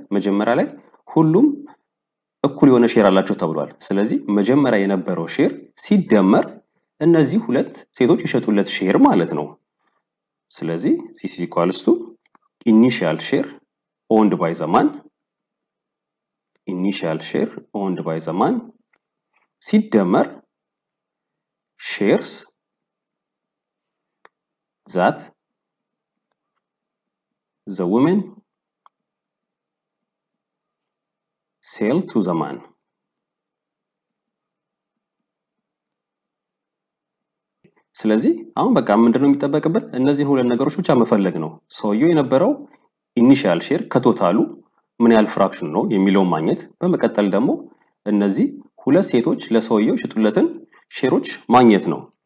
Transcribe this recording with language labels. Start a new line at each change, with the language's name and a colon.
Amharic: መጀመሪያ ላይ ሁሉም እኩል የሆነ ሼር አላቸው ተብሏል. ስለዚህ መጀመሪያ የነበረው ሼር ሲደመር እነዚህ ሁለት ሴቶች የሸጡለት ሼር ማለት ነው.
English: ስለዚህ this is equals to initial share owned by the man. Initial share owned by the man ሲደመር shares that the woman sell to the man.
Amharic: ስለዚህ አሁን በቃ ምንድነው የሚጠበቅብን? እነዚህ ሁለት ነገሮች ብቻ መፈለግ ነው. ሰውየው የነበረው ኢኒሻል ሼር ከቶታሉ ምን ያህል ፍራክሽን ነው የሚለው ማግኘት በመቀጠል ደግሞ እነዚህ ሁለት ሴቶች ለሰውየው ሽጡለትን ሼሮች ማግኘት ነው.